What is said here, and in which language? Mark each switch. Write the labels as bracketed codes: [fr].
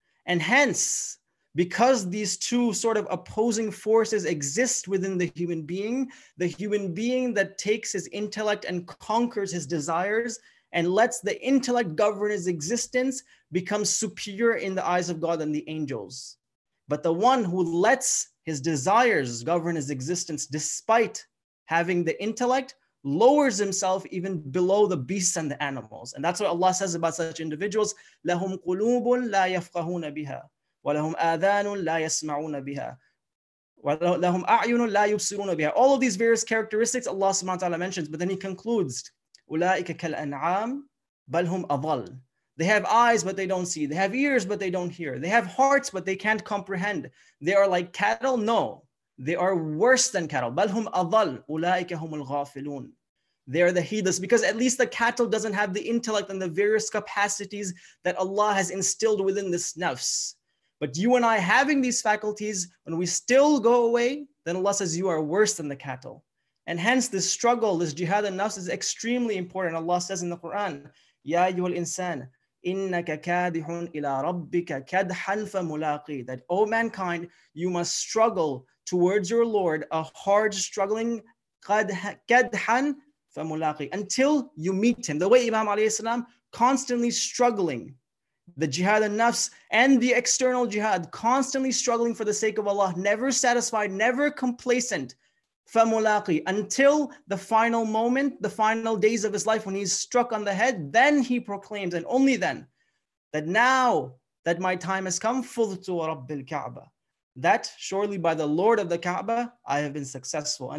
[en] And hence, because these two sort of opposing forces exist within the human being that takes his intellect and conquers his desires and lets the intellect govern his existence becomes superior in the eyes of God and the angels. But the one who lets his desires govern his existence despite having the intellect lowers himself even below the beasts and the animals. And that's what Allah says about such individuals, [ar] لَهُمْ قُلُوبٌ لَا يَفْقَهُونَ بِهَا وَلَهُمْ آذَانٌ لَا يَسْمَعُونَ بِهَا وَلَهُمْ أَعْيُنٌ لَا يُبْصِرُونَ بِهَا. [en] All of these various characteristics Allah subhanahu wa ta'ala mentions, but then he concludes, [ar] أُولَٰئِكَ كَالْأَنْعَامِ بَلْ هُمْ أَضَلُّ. [en] They have eyes, but they don't see. They have ears, but they don't hear. They have hearts, but they can't comprehend. They are like cattle? No. They are worse than cattle. [ar] بَلْ هُمْ أَضَلُّ أُولَٰئِكَ هُمُ الْغَافِلُونَ. [en] They are the heedless, because at least the cattle doesn't have the intellect and the various capacities that Allah has instilled within this nafs. But you and I having these faculties, when we still go away, then Allah says you are worse than the cattle. And hence this struggle, this jihad and nafs is extremely important. Allah says in the Quran, [ar] يَا أَيُّهَا الْإِنسَانِ إِنَّكَ كَادِحٌ إِلَىٰ رَبِّكَ كَدْحًا فَمُلَاقِي. [en] That, O mankind, you must struggle towards your Lord, a hard struggling, [ar] كَدْحًا فَمُلَاقِي, [en] until you meet him. The way Imam alayhi salam, constantly struggling, the jihad and nafs and the external jihad, constantly struggling for the sake of Allah, never satisfied, never complacent, فَمُلَاقِي, until the final moment, the final days of his life when he's struck on the head, then he proclaims, and only then, that now that my time has come, [ar] فُضْتُ وَرَبِّ الْكَعْبَ, [en] that surely by the Lord of the Kaaba, I have been successful.